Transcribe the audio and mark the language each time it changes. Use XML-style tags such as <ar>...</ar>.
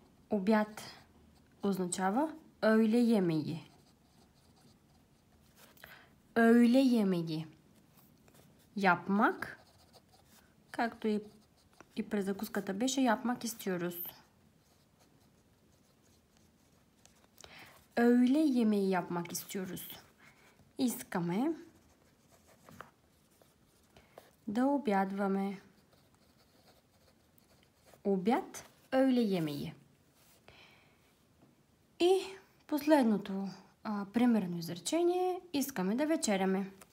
<bg>Обяд означава</bg> <tr>öğle yemeği. Öğle yemeği.</tr> <bg>Yapmak, както и при закуската беше,</bg> <tr>yapmak istiyoruz. Öğle yemeği yapmak istiyoruz.</tr> <bg>İskame da obyadvame.</bg> <tr>Обяд, öğle yemeği.</tr> <bg>И последното примерно изречение, искаме да вечеряме.</bg>